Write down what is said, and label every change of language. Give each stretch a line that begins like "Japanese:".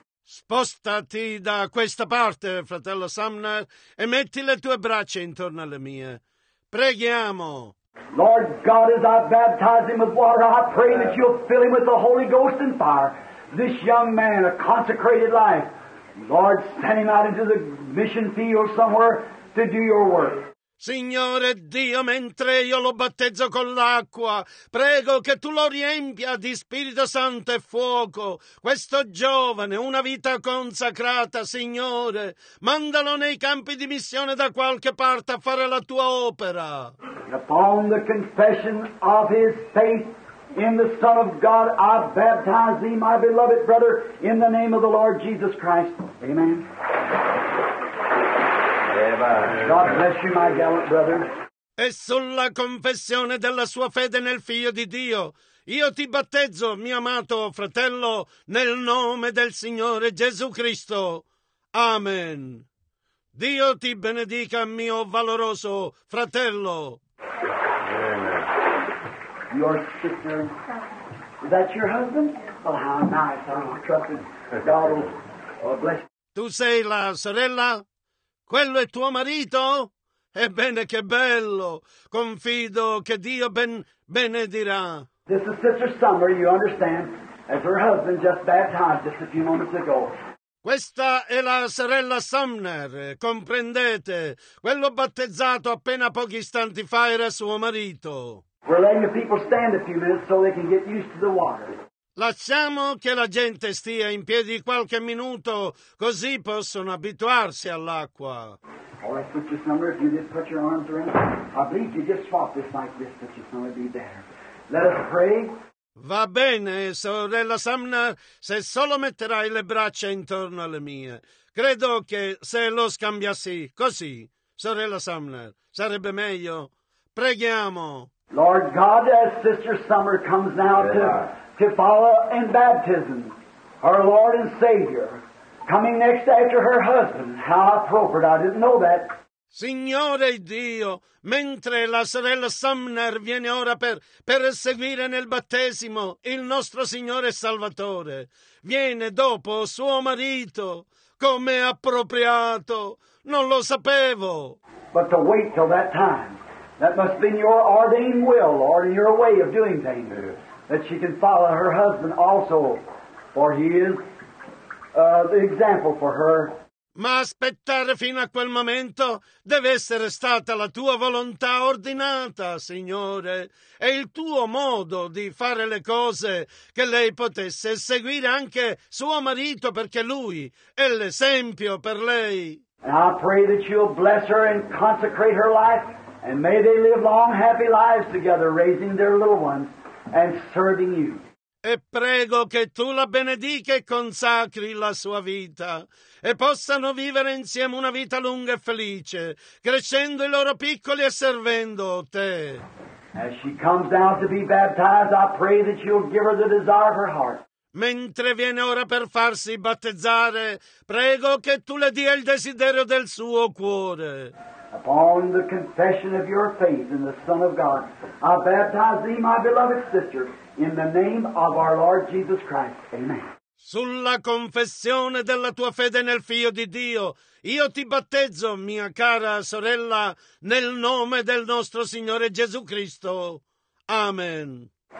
Italian: Spostati da questa parte, fratello Sumner, e metti le tue braccia intorno alle mie. Preghiamo.
English: Lord God, as I baptize him with water, I pray that you'll fill him with the Holy Ghost and fire. This young man, a consecrated life, Lord, send him out into the mission field somewhere to do your work.
Italian: Signore Dio, mentre io lo battezzo con l'acqua, prego che tu lo riempia di Spirito Santo e fuoco. Questo giovane, una vita consacrata, Signore, mandalo nei campi di missione da qualche parte a fare la tua opera.
English: Upon the confession of his faith in the Son of God, I baptize thee, my beloved brother, in the name of the Lord Jesus Christ. Amen. God bless you, my gallant brother.
Italian: E sulla confessione della sua fede nel Figlio di Dio, io ti battezzo, mio amato fratello, nel nome del Signore Gesù Cristo. Amen. Dio ti benedica, mio valoroso fratello. Amen.
English: Your sister, is that your husband? Oh, how nice. I'm trusting God will bless you.
Italian: Tu sei la sorella? Quello è tuo marito? Ebbene, che bello! Confido che Dio benedirà.
English: This is Sister Summer, you understand, as her husband just baptized just a few moments ago.
Italian: Questa è la sorella Sumner, comprendete? Quello battezzato appena pochi istanti fa era suo marito.
English: We're letting the people stand a few minutes so they can get used to the water.
Italian: Lasciamo che la gente stia in piedi qualche minuto, così possono abituarsi all'acqua.
English: All right, Sister Summer, if you just put your arms around, I believe you just swap this like this, Sister Summer, be there. Let us pray.
Italian: Va bene, sorella Sumner, se solo metterai le braccia intorno alle mie. Credo che se lo scambiassi così, sorella Sumner, sarebbe meglio. Preghiamo.
English: Lord God, as Sister Summer comes now to follow in baptism, our Lord and Savior, coming next after her husband. How appropriate, I didn't know that.
Italian: Signore Dio, mentre la sorella Sumner viene ora per seguire nel battesimo il nostro Signore Salvatore, viene dopo suo marito. Come appropriato, non lo sapevo.
English: But to wait till that time, that must be your ordained will, or your way of doing things, that she can follow her husband also, for he is the example for her.
Italian: Ma aspettare fino a quel momento deve essere stata la tua volontà ordinata, Signore, e il tuo modo di fare le cose, che lei potesse seguire anche suo marito, perché lui è l'esempio per lei.
English: And I pray that you'll bless her and consecrate her life, and may they live long, happy lives together, raising their little ones and serving you.
Italian: E prego che tu la benedica e consacri la sua vita, e possano vivere insieme una vita lunga e felice, crescendo i loro piccoli e servendo te.
English: As she comes down to be baptized, I pray that you'll give her the desire of her heart.
Italian: Mentre viene ora per farsi battezzare, prego che tu le dia il desiderio del suo cuore.
English: Upon the confession of your faith in the Son of God, I baptize thee, my beloved sister, in the name of our Lord Jesus Christ. Amen.
Italian: Sulla confessione della tua fede nel Figlio di Dio, io ti battezzo, mia cara sorella, nel nome del nostro Signore Gesù Cristo. Amen.